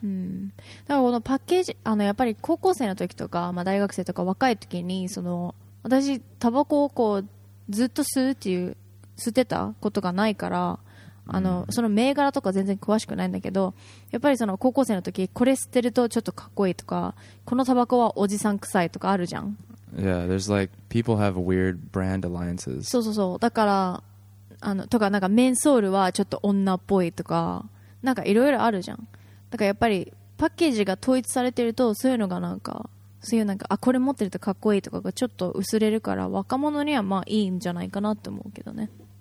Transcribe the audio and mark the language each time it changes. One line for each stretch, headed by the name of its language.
Japanese: うん。だからこのパッケージ、あのやっぱり高校生の時とか、まあ、大学生とか若い時にその私タバコをこうずっと吸うっていう吸ってたことがないから。あのその銘柄とか全然詳しくないんだけど、やっぱりその高校生の時これ吸ってるとちょっとかっこいいとか、このタバコはおじさん臭いとかあるじゃん。
English: Yeah, there's like people have weird brand alliances.
Japanese: そうそうそう、だからあのとか、なんかメンソールはちょっと女っぽいとか、なんかいろいろあるじゃん。だからやっぱりパッケージが統一されてると、そういうのがなんかそういうなんか、あ、これ持ってるとかっこいいとかがちょっと薄れるから、若者にはまあいいんじゃないかなって思うけどね。